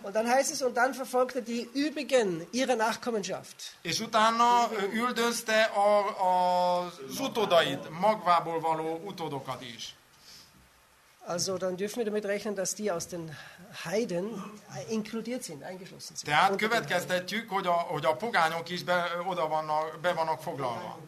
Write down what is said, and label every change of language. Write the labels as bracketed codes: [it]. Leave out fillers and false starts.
[de] Und dann heißt es, und dann verfolgte die übrigen ihre Nachkommenschaft. [hu] És utána üldözte az utódait, magvából való utódokat is. [de] Also dann dürfen wir damit rechnen, dass die aus den Heiden inkludiert sind, eingeschlossen sind. [hu] Tehát következtetjük, hogy a, hogy a pogányok is be, oda vannak, be vannak foglalva.